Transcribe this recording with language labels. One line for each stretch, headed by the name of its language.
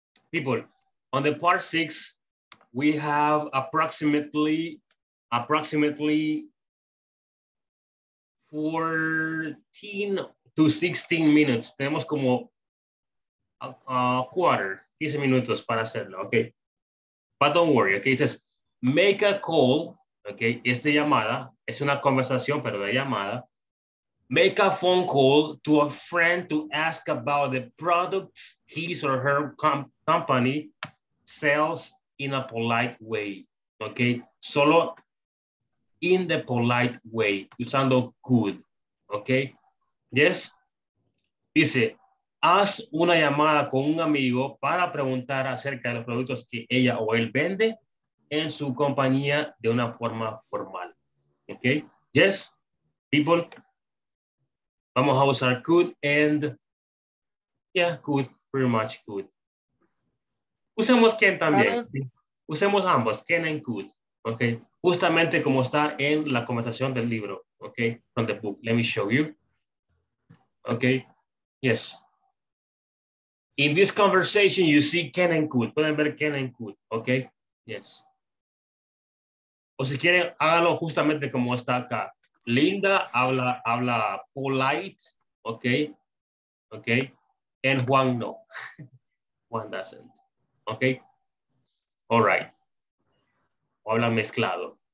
English: People, on the part six, we have approximately 14 to 16 minutes.
Spanish: Tenemos como
English: a quarter,
Spanish: 15 minutos para hacerlo, okay?
English: But don't worry, okay? It says, make a call, okay?
Spanish: Es de llamada, es una conversación, pero de llamada.
English: Make a phone call to a friend to ask about the products his or her company sells in a polite way, okay? Solo in the polite way, usando could, okay? Yes?
Spanish: Dice, haz una llamada con un amigo para preguntar acerca de los productos que ella o él vende en su compañía de una forma formal, okay?
English: Yes? People?
Spanish: Vamos a usar
English: could and, yeah, could, pretty much could.
Spanish: Usemos can también. Usemos ambos,
English: can and could,
Spanish: okay? Justamente como está en la conversación del libro, okay?
English: From the book, let me show you. Okay, yes. In this conversation, you see can and could.
Spanish: Pueden ver
English: can and could, okay? Yes.
Spanish: O si quieren, háganlo justamente como está acá. Linda habla
English: polite,
Spanish: okay?
English: Okay? And Juan no. Juan doesn't. Okay? All right.
Spanish: Habla mezclado.